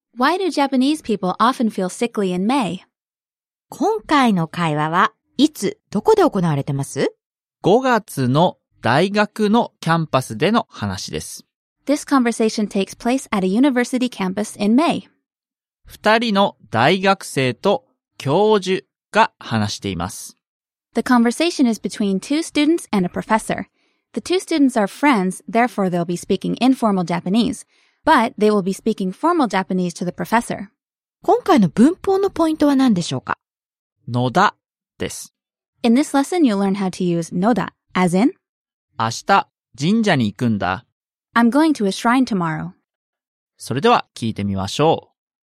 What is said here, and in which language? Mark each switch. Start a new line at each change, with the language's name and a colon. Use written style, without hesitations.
English: Why do Japanese people often feel sickly in May?
Japanese: 今回の会話はいつ、どこで行われてます ?5月の大学のキャンパスでの話です。
English: This conversation takes place at a university campus in May.
Japanese: 2人の大学生と教授が話しています。
English: The conversation is between two students and a professor. The two students are friends, therefore they'll be speaking informal Japanese, but they will be speaking formal Japanese to the professor.
Japanese: 今回の文法のポイントは何でしょうか? のだです。
English: In this lesson, you'll learn how to use のだ, as in
Japanese: 明日、神社に行くんだ。
English: I'm going to a shrine tomorrow.
Japanese: それでは聞いてみましょう。